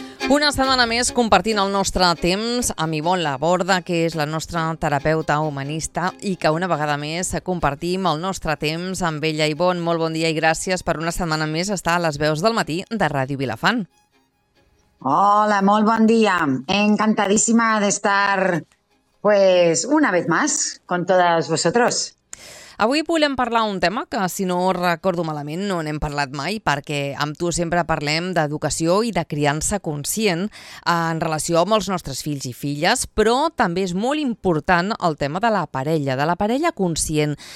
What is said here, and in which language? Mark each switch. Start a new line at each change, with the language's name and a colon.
Catalan: Una setmana més compartint el nostre temps amb Ivonne Laborda, que és la nostra terapeuta humanista i que una vegada més compartim el nostre temps amb ella. Ivonne, molt bon dia i gràcies per una setmana més estar a les veus del matí de Ràdio Vilafant. Hola, molt bon dia. Encantadíssima d'estar,
Spanish: pues, una vez más con todos vosotros.
Catalan: Avui volem parlar un tema que, si no recordo malament, no n'hem parlat mai, perquè amb tu sempre parlem d'educació i de criança conscient en relació amb els nostres fills i filles, però també és molt important el tema de la parella conscient.